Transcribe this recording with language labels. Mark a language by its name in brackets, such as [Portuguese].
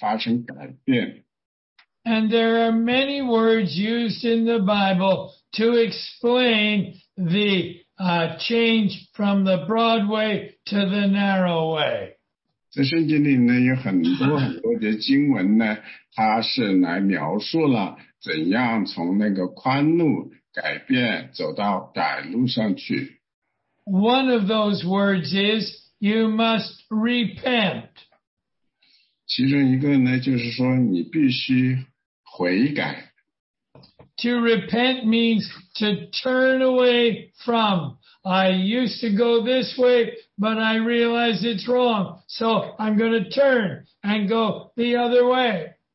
[Chinese] 这里呢，为了你要上到这条窄路去呢，那么说呢，你必须离开这条宽路。你离开宽路呢，就是说你人生的某种状态要发生改变。 [English] And there are many words used in the Bible to explain the change from the broad way to the narrow way. [Chinese] 在圣经里呢，有很多很多的经文呢，它是来描述了怎样从那个宽路改变走到窄路上去。 [English] One of those words is you must repent. [Chinese] 其中一个呢，就是说你必须悔改。 [English] To repent means to turn away from. I used to go this way, but I realize it's wrong. So I'm going to turn and go the other way.